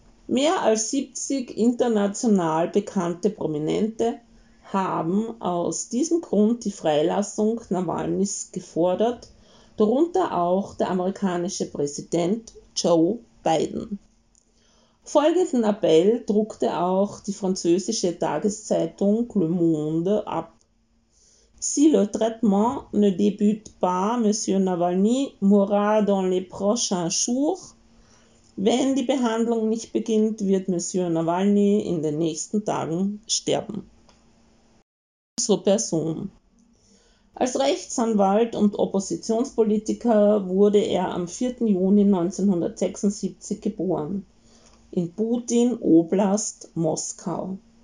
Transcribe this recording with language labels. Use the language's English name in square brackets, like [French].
[German] Mehr als 70 international bekannte Prominente haben aus diesem Grund die Freilassung Nawalnys gefordert, darunter auch der amerikanische Präsident Joe Biden. Folgenden Appell druckte auch die französische Tageszeitung Le Monde ab. [French] Si le traitement ne débute pas, Monsieur Nawalny mourra dans les prochains jours. [German] Wenn die Behandlung nicht beginnt, wird Monsieur Nawalny in den nächsten Tagen sterben. Zur Person. Als Rechtsanwalt und Oppositionspolitiker wurde er am 4. Juni 1976 geboren, in Putin Oblast Moskau.